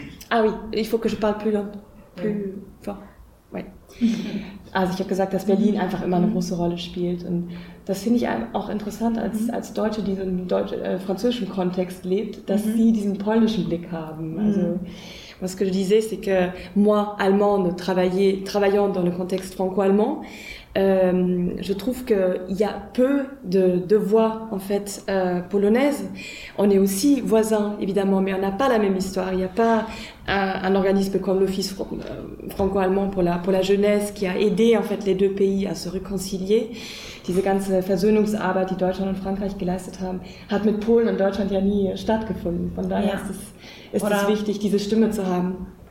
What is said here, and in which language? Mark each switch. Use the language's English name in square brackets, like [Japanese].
[French] Ah oui, il faut que je parle plus fort. Ouais. [German] Also ich habe gesagt, dass Berlin einfach immer eine große Rolle spielt. Und das finde ich auch interessant, als Deutsche, die so im französischen Kontext lebt, dass sie diesen polnischen Blick haben. [French] Also, was que je disais, c'est que moi, Allemande, travaillant dans le contexte franco-allemand, je trouve qu'il y a peu de voix, en fait, polonaises. On est aussi voisins, évidemment, mais on n'a pas la même histoire. Il n'y a pas un organisme comme l'Office franco-allemand pour la jeunesse qui a aidé, en fait, les deux pays à se réconcilier. [German] Diese ganze Versöhnungsarbeit, die Deutschland und Frankreich geleistet haben, hat mit Polen und Deutschland ja nie stattgefunden. Von daher ist es wichtig, diese Stimme zu haben.